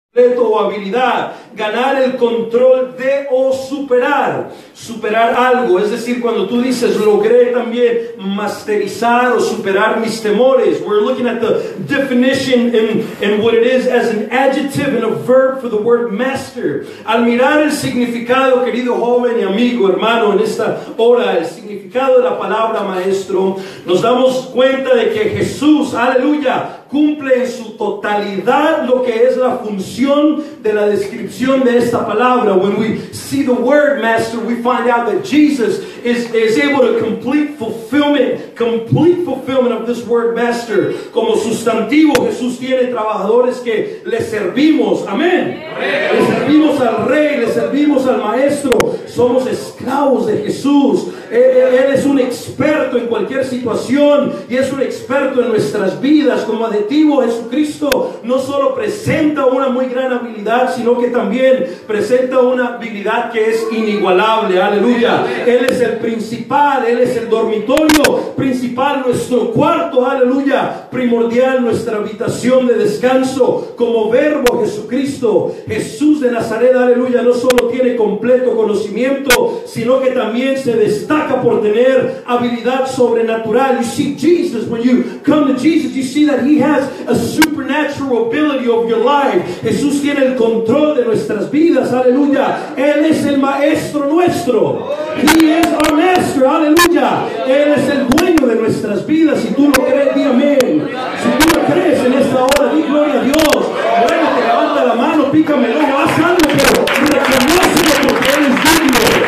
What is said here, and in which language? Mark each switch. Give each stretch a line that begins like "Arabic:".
Spanish: De tu habilidad, ganar el control de o superar, superar algo, es decir, cuando tú dices logré también masterizar o superar mis temores.
English: We're looking at the definition in what it is as an adjective and a verb for the word master.
Spanish: Al mirar el significado, querido joven y amigo, hermano, en esta hora, el significado de la palabra maestro, nos damos cuenta de que Jesús, aleluya, cumple en su totalidad lo que es la función de la descripción de esta palabra.
English: When we see the word master, we find out that Jesus is able to complete fulfillment of this word master.
Spanish: Como sustantivo, Jesús tiene trabajadores que le servimos. Amén. Le servimos al Rey, le servimos al Maestro. Somos esclavos de Jesús. Él es un experto en cualquier situación y es un experto en nuestras vidas. Como adjetivo, Jesucristo no solo presenta una muy gran habilidad, sino que también presenta una habilidad que es inigualable. Aleluya. Él es el principal, Él es el dormitorio principal, nuestro cuarto, aleluya, primordial, nuestra habitación de descanso. Como Verbo, Jesucristo, Jesús de Nazaret, aleluya, no solo tiene completo conocimiento, sino que también se destaca por tener habilidad sobrenatural.
English: You see Jesus, when you come to Jesus, you see that He has a supernatural ability of your life.
Spanish: Jesús tiene el control de nuestras vidas, aleluya. Él es el maestro nuestro.
English: He is our master,
Spanish: aleluya. Él es el dueño de nuestras vidas. Si tú lo crees, di amén. Si tú lo crees en esta hora, di gloria a Dios. Muévete, levanta la mano, pícame el ojo, haz algo, pero reconoce porque Él es digno.